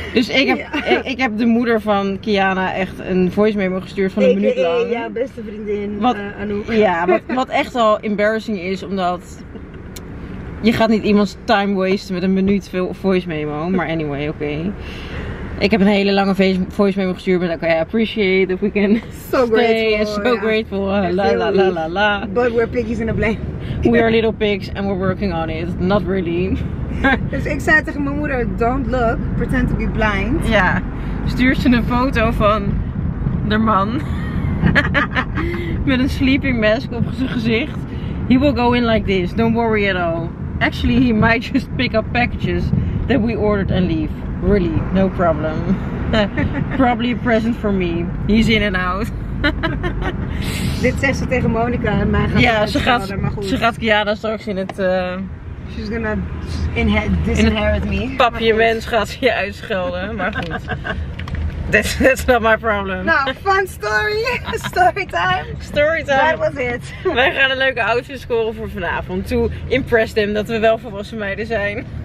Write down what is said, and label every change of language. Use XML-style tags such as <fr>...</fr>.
<nl>Dus ik heb de moeder van Kiana echt een voice memo gestuurd van een minuut lang. Ja, beste vriendin, wat, Anouk. Ja, wat echt al embarrassing is, omdat... Je gaat niet iemands time wasten met een minuut voice memo. Maar anyway, oké. Ik heb een hele lange voice memo gestuurd.</nl> <en>Met I appreciate if we can so stay. Grateful, so grateful. La la la la la. But we're piggies in a blame. We are little pigs and we're working on it. Not really.</en> <nl>Dus ik zei tegen mijn moeder,</nl> <en>don't look. Pretend to be blind.</en> <nl>Ja. Stuur ze een foto van de man. Met een sleeping mask op zijn gezicht.</nl> <en>He will go in like this, don't worry at all. Actually, he might just pick up packages that we ordered and leave. Really, no problem. Probably a present for me. He's in and out.</en> <nl>Dit zegt ze tegen Monica en mij gaat ze gaat Kiana straks in het...</nl> <en>She's gonna disinherit me.</en> <nl>Papje mens gaat ze je uitschelden, maar goed.</nl> <en>That's not my problem. Nou, fun story. Storytime. That was it.</en> <nl>Wij gaan een leuke outfit scoren voor vanavond.</nl> <en>To impress them</en> <nl>dat we wel volwassen meiden zijn.</nl>